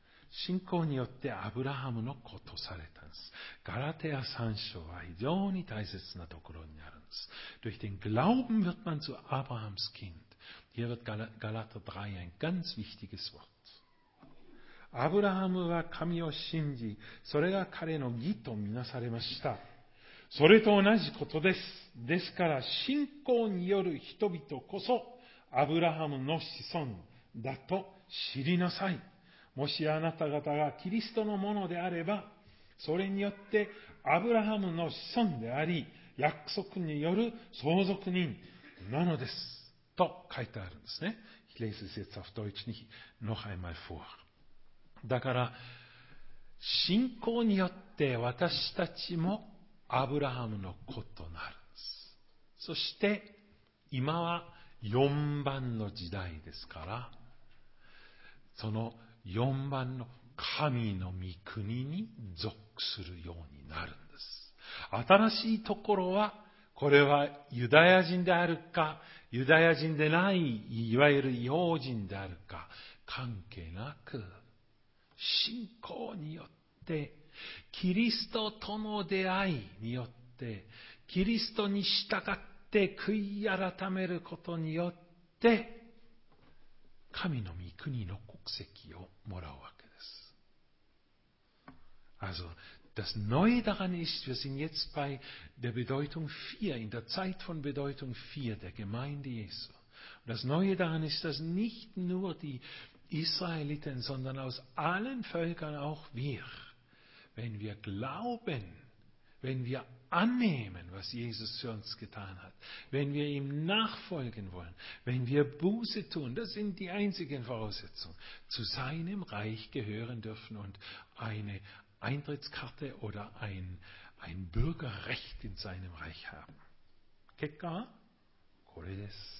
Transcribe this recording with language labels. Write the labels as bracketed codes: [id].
[ja] 信仰によってアブラハムの子とされたんです。ガラテア三章は非常に大切なところにあるんです。 [de] Durch den Glauben wird man zu Abrahams Kind. Hier wird Galater 3 ein ganz wichtiges Wort. [ja] アブラハムは神を信じ、それが彼の義とみなされました。それと同じことです。ですから信仰による人々こそアブラハムの子孫だと知りなさい。もしあなた方がキリストのものであれば、それによってアブラハムの子孫であり、約束による相続人なのです。と書いてあるんですね。 [de] Ich lese es jetzt auf Deutsch nicht noch einmal vor. [ja] だから、信仰によって私たちもアブラハムの子となるんです。そして、今は4番の時代ですから、その4番の神の御国に属するようになるんです。新しいところは、これはユダヤ人であるか、ユダヤ人でない、いわゆる異邦人であるか、関係なく、信仰によって、キリストとの出会いによって、キリストに従って悔い改めることによって、神の御国の国籍をもらうわけです。 [de] Also, das Neue daran ist, wir sind jetzt bei der Bedeutung 4, in der Zeit von Bedeutung 4 der Gemeinde Jesu. Das Neue daran ist, dass nicht nur die Israeliten, sondern aus allen Völkern auch wir, wenn wir glauben, wenn wir annehmen, was Jesus für uns getan hat, wenn wir ihm nachfolgen wollen, wenn wir Buße tun, das sind die einzigen Voraussetzungen, zu seinem Reich gehören dürfen und eine Eintrittskarte oder ein Bürgerrecht in seinem Reich haben. [ja] Kekka? Kore des.